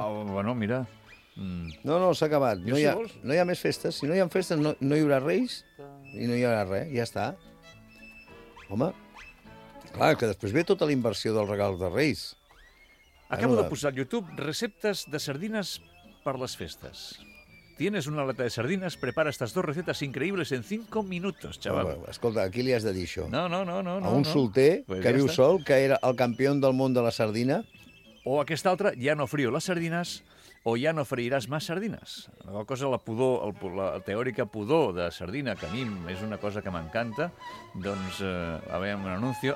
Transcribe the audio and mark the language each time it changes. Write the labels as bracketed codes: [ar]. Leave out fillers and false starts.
[es] Ah, bueno, mira... [ca] No, no, s'ha acabat. No hi ha, no hi ha més festes. Si no hi ha festes, no hi haurà reis i no hi haurà res. Ja està. Home, clar, que després ve tota la inversió dels regals de Reis. Acabo de posar al YouTube receptes de sardines per les festes. [es] Tienes una lata de sardines, prepara estas dos recetas increíbles en 5 minutos, chaval. [ca] Home, escolta, aquí li has de dir això. No, no, no, no. A un solter pues que ja viu està. Sol, que era el campió del món de la sardina. O aquesta altra, ja no frio les sardines... o ja no freiràs més sardines. La cosa, la pudor, la teòrica pudor de sardina, que a mi és una cosa que m'encanta, doncs, a veure, un anunci...